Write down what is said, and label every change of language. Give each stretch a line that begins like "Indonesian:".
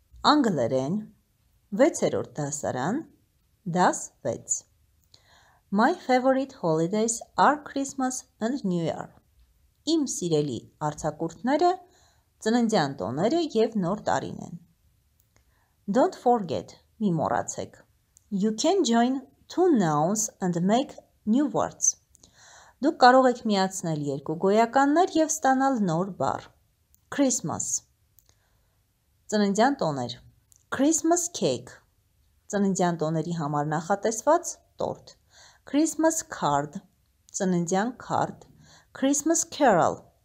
Armenian: Անգլերեն 6-րդ դասարան դաս 6
English: My favorite holidays are Christmas and New Year.
Armenian: Իմ սիրելի արձակուրդները ծննդյան տոները եւ նոր տարին են.
English: Don't forget,
Armenian: մի մոռացեք.
English: You can join two nouns and make new words.
Armenian: Դուք կարող եք միացնել երկու գոյականներ եւ ստանալ նոր բառ.
English: Christmas
Armenian: Ծննդյան տոներ.
English: Christmas cake.
Armenian: Ծննդյան տոների համար նախատեսված տորտ.
English: Christmas card. Ծննդյան card. Christmas carol.